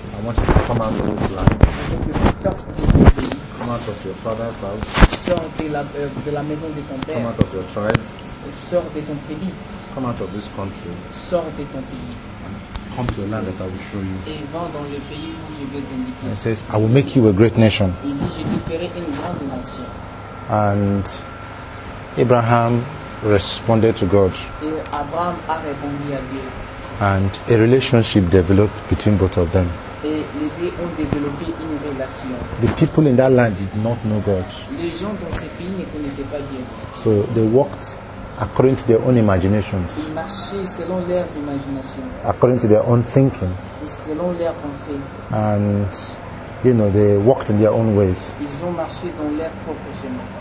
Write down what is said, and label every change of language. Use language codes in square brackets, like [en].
[en] I want you to come out of this land. Come out of your father's house. [fr] Sors de la maison de ton père. [en] Come out of your tribe. [fr] Sors de ton pays. [en] Come out of this country. [fr] Sors de ton pays. [en] Come to the land that I will show you. [fr] Et va dans le pays où je vais t'indiquer. [en] And he says, I will make you a great nation. [fr] Il dit, je te ferai une grande nation. [en] And Abraham responded to God. [fr] Abraham a répondu à Dieu. [en] And a relationship developed between both of them. [fr] Et les deux ont développé une relation. [en] The people in that land did not know God. [fr] Les gens dans ce pays ne connaissaient pas Dieu. [en] So they walked according to their own imaginations. [fr] Ils marchaient selon leurs imaginations. [en] According to their own thinking. [fr] Et selon leurs pensées. [en] And you know, they walked in their own ways. [fr] Ils ont marché dans leur propre chemin.